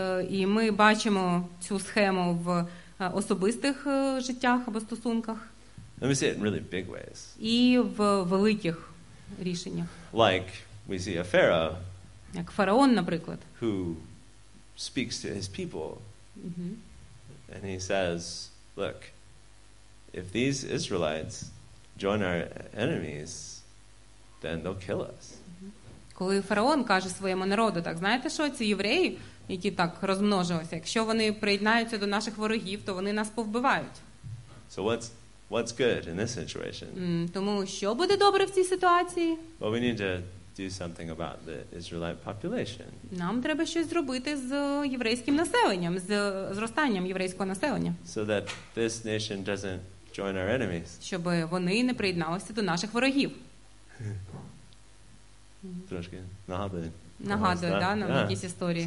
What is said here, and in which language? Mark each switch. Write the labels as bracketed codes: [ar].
[uk] І ми бачимо цю схему в особистих життях або стосунках. [en] And we see it in really big ways. [uk] І в великих рішеннях. [en] Like we see a pharaoh. [uk] Як фараон, наприклад. [en] Who speaks to his people. And he says, look, if these Israelites join our enemies, then they'll kill us. [uk] Коли фараон каже своєму народу, так, знаєте що, ці євреї, які так розмножилися, якщо вони приєднаються до наших ворогів, то вони нас повбивають. [en] So what's good in this situation? [uk] Тому що буде добре в цій ситуації? [en] Well, we need to do something about the Israelite population. [uk] Нам треба щось зробити з єврейським населенням, з зростанням єврейського населення. [en] So that this nation doesn't join our enemies. [uk] Щоб вони не приєдналися до наших ворогів. Трошки нагадує. Нагадує, да, нам якісь історії.